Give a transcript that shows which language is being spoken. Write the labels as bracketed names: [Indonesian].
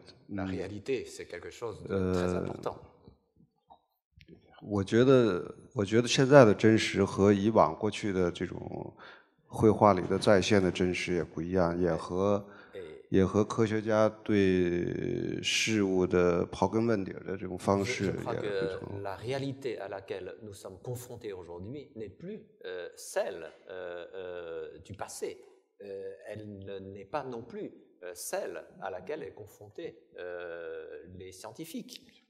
[French] La réalité, c'est quelque chose de très important. [Chinese] 我觉得现在的真实和以往过去的这种绘画里的再现的真实也不一样，也和科学家对事物的刨根问底的这种方式也不同。 [French] La réalité à laquelle nous sommes confrontés aujourd'hui n'est plus celle du passé. Elle n'est pas non plus celle à laquelle est confrontée les scientifiques.